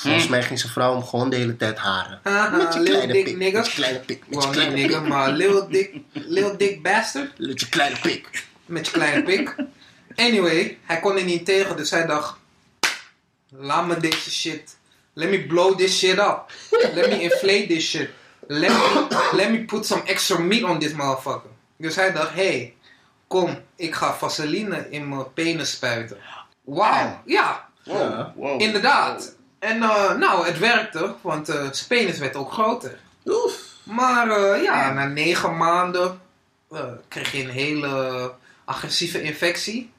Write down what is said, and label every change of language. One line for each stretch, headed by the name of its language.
Dutch: Volgens mij ging zijn vrouw hem gewoon de hele tijd haren. Met je kleine pik. Met je kleine pik. Met je kleine pik. Maar
English: little dick bastard.
Dutch: Met je kleine pik. Met je kleine pik. Anyway, hij kon er niet tegen. Dus hij dacht, laat me deze shit.
English: Let me blow this shit up. Let me inflate this shit. Let me put some extra meat on this motherfucker.
Dutch: Dus hij dacht, hey, kom, ik ga vaseline in mijn penis spuiten. Wauw. Ja. Wow. Inderdaad. Wow. En het werkte, want zijn penis werd ook groter. Oef. Maar na 9 maanden kreeg hij een hele agressieve infectie.